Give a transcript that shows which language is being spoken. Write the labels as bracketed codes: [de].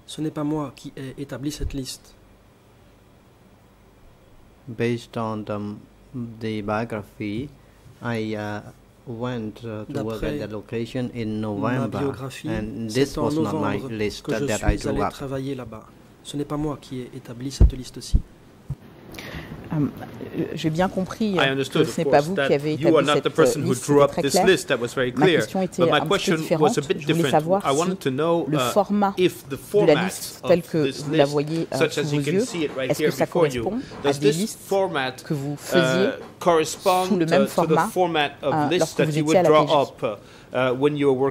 [fr] Ce n'est pas moi qui ai établi cette liste. [en] Based on the biography, I went to work at the location in November, and this was not my list that I drew up. [fr] Travailler là-bas. Ce n'est pas moi qui ai établi cette liste-ci. J'ai bien compris que ce n'est pas vous qui avez établi cette liste, c'était très clair. Ma question était un peu différente. Je voulais savoir si le format de la liste telle que vous la voyez sous vos yeux, est-ce que ça correspond à des listes que vous faisiez sous le même format lorsque vous étiez à la PJ?